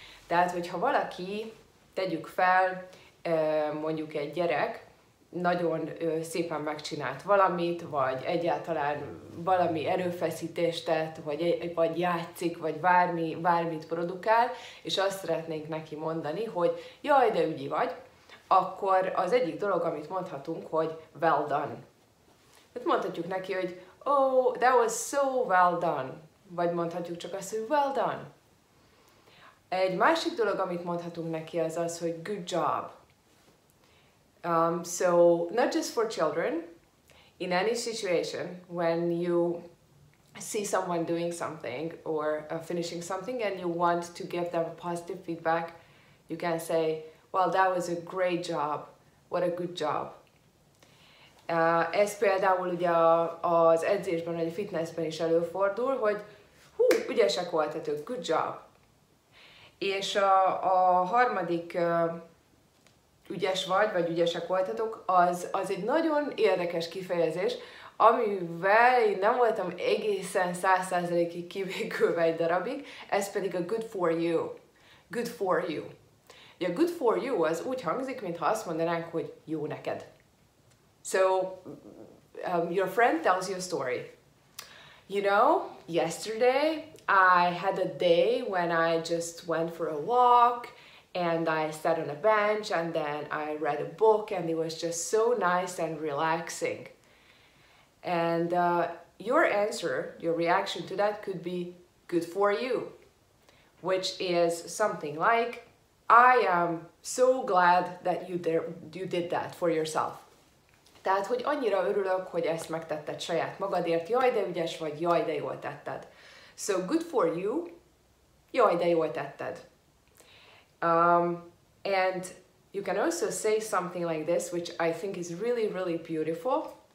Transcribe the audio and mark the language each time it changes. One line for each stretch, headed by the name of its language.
Hungarian: Tehát, hogyha valaki, tegyük fel, mondjuk egy gyerek, nagyon szépen megcsinált valamit, vagy egyáltalán valami erőfeszítést tett, vagy játszik, vagy bármit produkál, és azt szeretnénk neki mondani, hogy jaj, de ügyi vagy, akkor az egyik dolog, amit mondhatunk, hogy well done. Tehát mondhatjuk neki, hogy
English: oh, that was so well done.
Hungarian: Vagy mondhatjuk csak azt, hogy well done. Egy másik dolog, amit mondhatunk neki, az az, hogy good job.
English: So, not just for children, in any situation, when you see someone doing something or finishing something and you want to give them a positive feedback, you can say, well, that was a great job, what a good job.
Hungarian: Ez például ugye az edzésben, vagy a fitnessben is előfordul, hogy ügyesek voltatok, good job! És a harmadik ügyes vagy ügyesek voltatok, az egy nagyon érdekes kifejezés, amivel én nem voltam egészen 100%-ig kivégülve egy darabig, ez pedig a good for you. Good for you. A good for you az úgy hangzik, mintha azt mondanánk, hogy jó neked.
English: So, your friend tells you a story. You know, yesterday I had a day when I just went for a walk and I sat on a bench and then I read a book and it was just so nice and relaxing. And your answer, your reaction to that could be good for you, which is something like, I am so glad that you did that for yourself.
Hungarian: Tehát, hogy annyira örülök, hogy ezt megtetted saját magadért, jaj, de ügyes vagy, jaj, de jól tetted.
English: So, good for you,
Hungarian: jaj, de jól tetted.
English: And you can also say something like this, which I think is really, really beautiful.